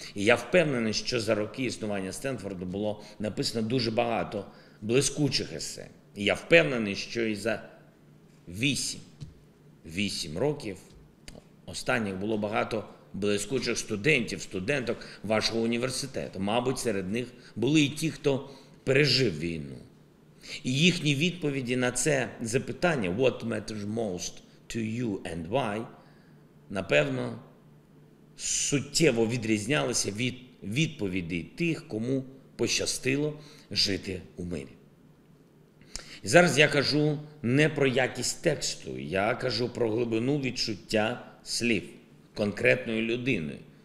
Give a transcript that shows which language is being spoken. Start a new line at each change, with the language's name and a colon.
Ukrainian: І я впевнений, що за роки існування Стенфорду було написано дуже багато блискучих есе. І я впевнений, що і за 8 років останніх було багато блискучих студентів, студенток вашого університету. Мабуть, серед них були і ті, хто пережив війну. І їхні відповіді на це запитання
English: «What matters most to you and why?»
Ukrainian: напевно, суттєво відрізнялися від відповідей тих, кому пощастило жити у мирі. Зараз я кажу не про якість тексту, я кажу про глибину відчуття слів конкретної людини.